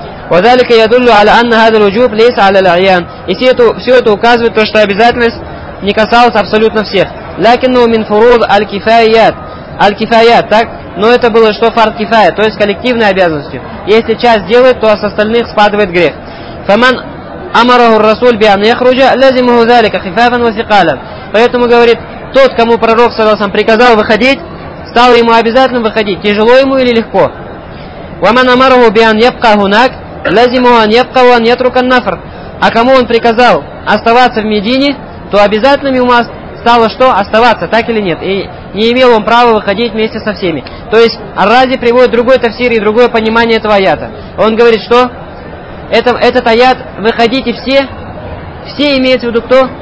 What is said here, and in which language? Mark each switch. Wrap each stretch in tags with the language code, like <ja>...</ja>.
<ar>وذلك يدل على أن هذا الوجوب ليس على العيان.</ar> <ru>И все это указывает то, что обязательность не касалась абсолютно всех.</ru> <ar>لكنه من فروض الكفايات. الكفايات,</ar> <ru>так? Но это было что фард кифая, то есть коллективной обязанностью. Если часть делает, то с остальных спадает грех.</ru> <ar>فمن أمره الرسول بأن يخرج لازمه ذلك خفافا وثقالا.</ar> <ru>Поэтому говорит, тот, кому пророк саллаллаху алейхи ва саллям приказал выходить, стало ему обязательно выходить, тяжело ему или легко.</ru> <ar>ومن أمره بأن يبقى هناك لازمه أن يبقى وأن يترك النفر.</ar> <ru>А кому он приказал оставаться в Медине, то обязательно ему стало что? Оставаться, так или нет? И не имел он права выходить вместе со всеми. То есть Ар-Рази приводит другой тафсир и другое понимание этого аята. Он говорит, что этот аят выходите все, все имеется в виду кто?</ru>